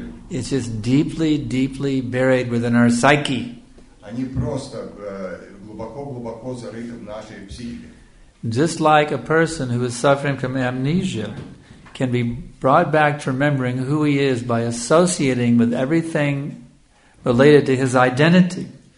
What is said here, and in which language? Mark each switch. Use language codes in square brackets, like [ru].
[en] It's just deeply, deeply buried within our psyche. [ru] Они просто глубоко-глубоко зарыты в нашей психике. [en] Just like a person who is suffering from amnesia can be brought back to remembering who he is by associating with everything related to his identity.